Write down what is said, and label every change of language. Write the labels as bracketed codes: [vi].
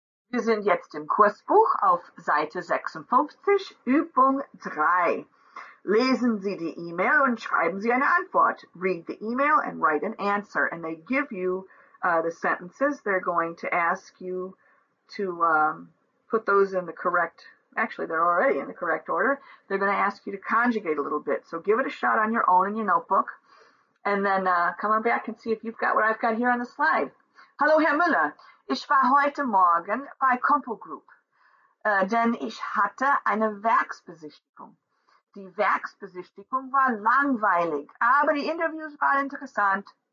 [de] Wir sind jetzt im Kursbuch auf Seite 56, Übung 3. Lesen Sie die E-Mail und schreiben Sie eine Antwort. [en] Read the email and write an answer. And they give you the sentences. They're going to ask you to put those in the correct, actually they're already in the correct order. They're going to ask you to conjugate a little bit. So give it a shot on your own in your notebook. And then come on back and see if you've got what I've got here on the slide. [de] Hallo Herr Müller, ich war heute Morgen bei Compo Group, denn ich hatte eine Werksbesichtigung. Die Werksbesichtigung war langweilig, aber die Interviews waren interessant.